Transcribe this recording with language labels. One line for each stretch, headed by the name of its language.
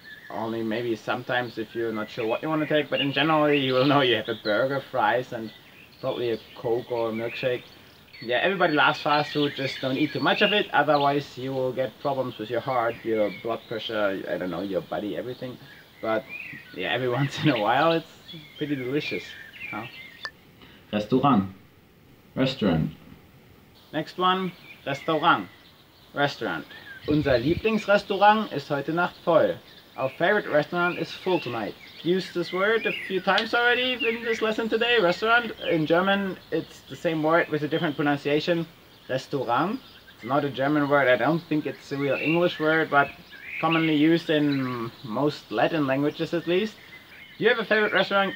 English: Only maybe sometimes if you're not sure what you want to take, but in general you will know you have a burger, fries and probably a Coke or a milkshake. Yeah, everybody loves fast food, just don't eat too much of it, otherwise you will get problems with your heart, your blood pressure, I don't know, your body, everything. But yeah, every once in a while it's pretty delicious, huh? Restaurant. Restaurant. Next one, Restaurant. Restaurant.
German: Unser Lieblingsrestaurant ist heute Nacht voll.
English: Our favorite restaurant is full tonight. Used this word a few times already in this lesson today, restaurant. In German, it's the same word with a different pronunciation, Restaurant. It's not a German word, I don't think it's a real English word, but commonly used in most Latin languages at least. You have a favorite restaurant?